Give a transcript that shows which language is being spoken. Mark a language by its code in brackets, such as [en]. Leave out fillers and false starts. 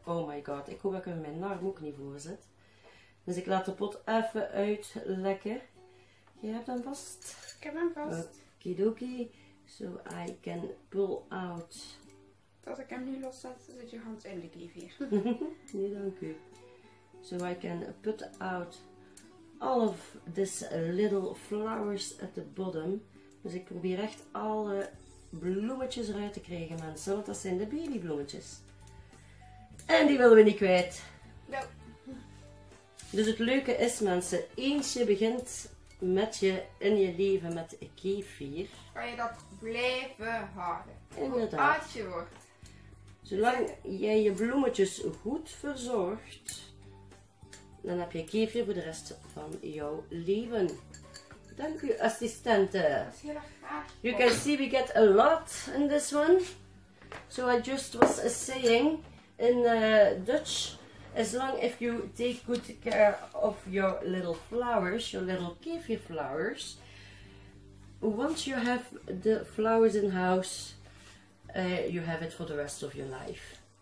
[en] Oh my god, [nl] ik hoop dat ik hem in mijn arm ook niet voor zit. Dus ik laat de pot even uitlekken. Jij hebt hem vast. Ik heb hem vast. [en] Okidokie. So I can pull out. [nl] Als ik hem nu loszet, zit je hand in de kefir. Nee, dank u. [en] So I can put out all of this little flowers at the bottom. [nl] Dus ik probeer echt alle bloemetjes eruit te krijgen, mensen. Want dat zijn de babybloemetjes. En die willen we niet kwijt. Ja. Dus het leuke is, mensen, eens je begint met je in je leven met kefir, kan je dat blijven houden. Inderdaad. Hoe oud je wordt. Zolang jij je bloemetjes goed verzorgt, dan heb je kefir voor de rest van jouw leven. Dank u, assistente. Dat is heel erg graag. [en] You can see we get a lot in this one. So I just was saying in Dutch, as long as you take good care of your little flowers, your little kefir flowers, once you have the flowers in house, you have it for the rest of your life.